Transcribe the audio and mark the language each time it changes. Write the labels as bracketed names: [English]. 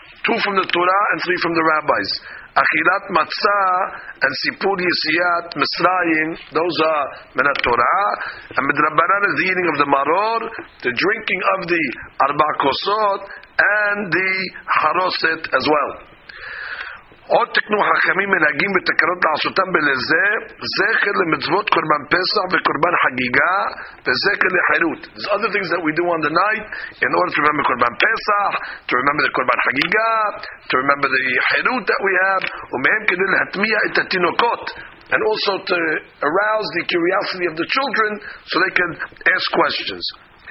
[English] Two from the Torah and three from the rabbis. Achilat matzah and sipur yisiyat misrayim, those are min haTorah. And midrabanan is the eating of the maror, the drinking of the arba kosot, and the haroset as well. [Hebrew] עוד תקנו חכמים מנהגים ותקנות לעשותם בלזה, זכר למצוות קורבן פסח וקורבן חגיגה, וזכר לחירות. [English] There's other things that we do on the night in order to remember קורבן פסח, to remember the קורבן חגיגה, to remember the חירות that we have, [Hebrew] ומהם כדי להטמיע את התינוקות, [English] and also to arouse the curiosity of the children so they can ask questions.